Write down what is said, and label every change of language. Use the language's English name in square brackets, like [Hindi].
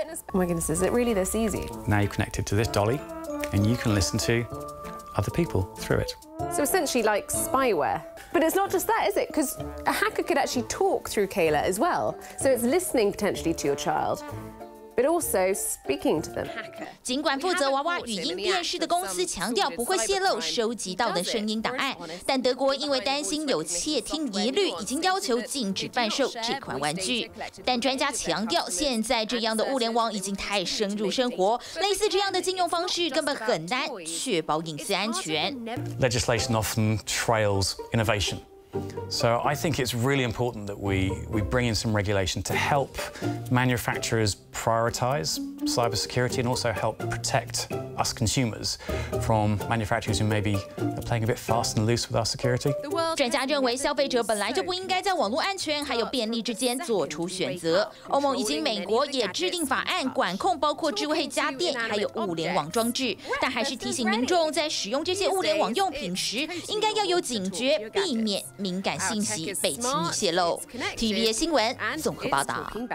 [English] Oh my goodness, is it really this easy? Now you're connected to this dolly, and you can listen to other people through it. So essentially like spyware. But it's not just that, is it? Because a hacker could actually talk through Kayla as well. So it's listening potentially to your child. But also speaking to them. [Chinese] 尽管负责娃娃语音辨识的公司强调不会泄露收集到的声音档案，但德国因为担心有窃听疑虑，已经要求禁止贩售这款玩具。但专家强调，现在这样的物联网已经太深入生活，类似这样的禁用方式根本很难确保隐私安全。 [English] Legislation often trails innovation. So I think it's really important that we bring in some regulation to help manufacturers prioritize cybersecurity and also help protect us consumers from manufacturers who maybe are playing a bit fast and loose with our security. [Chinese] 专家认为消费者本来就不应该在网络安全还有便利之间做出选择。欧盟以及美国也制定法案管控包括智慧家电还有物联网装置，但还是提醒民众在使用这些物联网用品时应该要有警觉，避免敏感信息被轻易泄露。 TVBS 新闻综合报道。